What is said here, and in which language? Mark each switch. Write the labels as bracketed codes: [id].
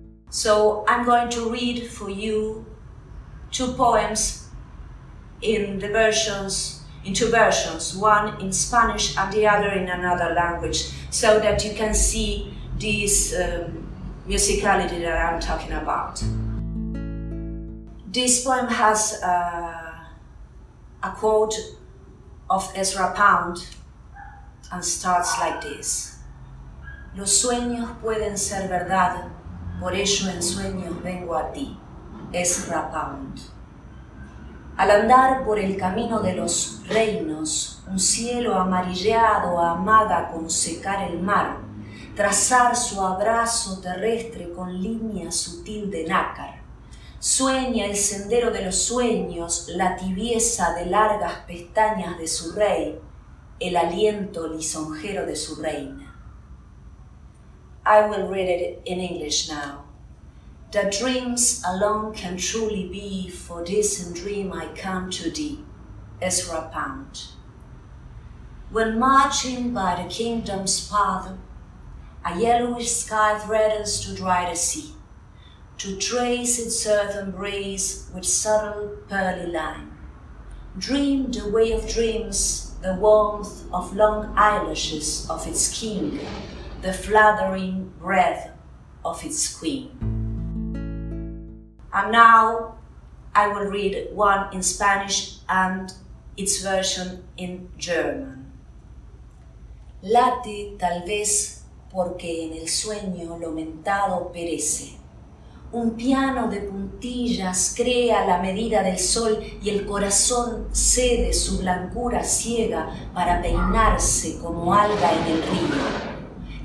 [en] So I'm going to read for you two poems in two versions, one in Spanish and the other in another language, so that you can see this musicality that I'm talking about. This poem has a quote of Ezra Pound and starts like this. [es] Los sueños pueden ser verdad, por ello en sueños vengo a ti. Ezra Pound. Al andar por el camino de los reinos, un cielo amarilleado amaga con secar el mar, trazar su abrazo terrestre con línea sutil de nácar. Sueña el sendero de los sueños, la tibieza de largas pestañas de su rey, el aliento lisonjero de su reina. [en] I will read it in English now. The dreams alone can truly be, for this in dream I come to thee. Ezra Pound. When marching by the kingdom's path, a yellowish sky threatens to dry the sea, to trace its earthen breeze with subtle pearly line. Dream the way of dreams, the warmth of long eyelashes of its king, the fluttering breath of its queen. And now I will read one in Spanish and its version in German. [es] Late tal vez porque en el sueño lo mentado perece. Un piano de puntillas crea la medida del sol y el corazón cede su blancura ciega para peinarse como alga en el río.